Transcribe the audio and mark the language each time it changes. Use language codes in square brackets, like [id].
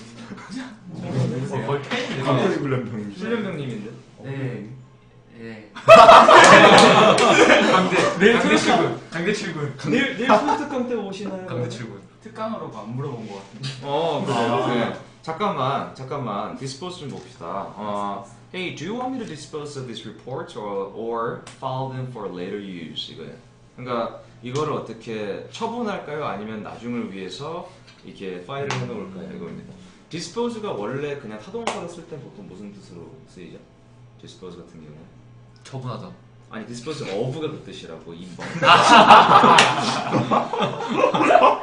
[ko] 맞아. 거의 팬이네. 갑자기 훈련병. 훈련병님인데. 네. 강대. 내일 강대 출근. 강대 출근. 내일 수업 특강 때 오시나요? 강대 출근. 특강으로 안 물어본 것 같은데. 어, 그래요. 아, 네. 잠깐만, 잠깐만. Dispose 좀 봅시다. 어. [en] Hey, do you want me to dispose of these reports or file them for later use? [ko] 이거예요. 그러니까 이거를 어떻게 처분할까요? 아니면 나중을 위해서 이렇게 파일을 해놓을까요? 이겁니다. Dispose가 원래 그냥 타동사로 쓸 때 보통 무슨 뜻으로 쓰이죠? Dispose 같은 경우는 처분하다. 아니, dispose of가 그 뜻이라고, 2번.